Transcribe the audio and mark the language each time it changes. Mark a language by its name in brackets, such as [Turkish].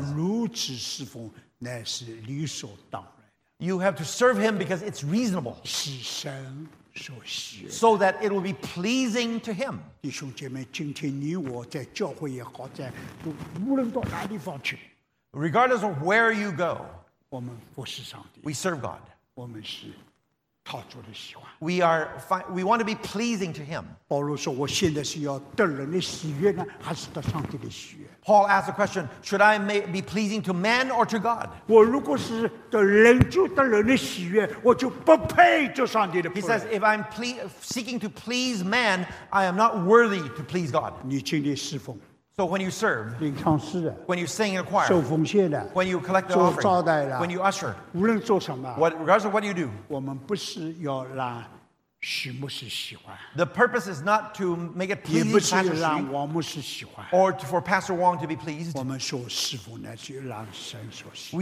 [Chinese] 你们如此侍奉乃是理所当然。 [English] You have to serve him because it's reasonable. [Chinese] 是神所喜悦。 [English] So that it will be pleasing to him. [Chinese] 弟兄姐妹，今天你我在教会也好，在无论到哪地方去。 [English] Regardless of where you go, [Chinese] 我们服侍上帝。 [English] We serve God. [Chinese] 我们是讨主的喜欢。 [English] We want to be pleasing to Him. [Chinese] 保罗说：“我现在是要得人的喜悦呢，还是得上帝的喜悦？” [English] Paul asked the question: Should I be pleasing to man or to God? [Chinese] 我如果是得人就得人的喜悦，我就不配做上帝的仆人。 [English] He says, "If I'm seeking to please man, I am not worthy to please God." [Chinese] 你今天侍奉。 [English] So when you serve, [Chinese] 你唱诗的, [English] when you sing in a choir, [Chinese] 受奉献的, [English] when you collect the offering, [Chinese] 做招待的, [English] when you usher, [Chinese] 无论做什么, [English] regardless of what you do, [Chinese] 我们不是要让许牧师喜欢, [English] the purpose is not to make it pleasing to Pastor Xu, [Chinese] 也不是让王牧师喜欢, [English] or for Pastor Wong to be pleased. [Chinese] 我们所侍奉乃是让神所喜欢,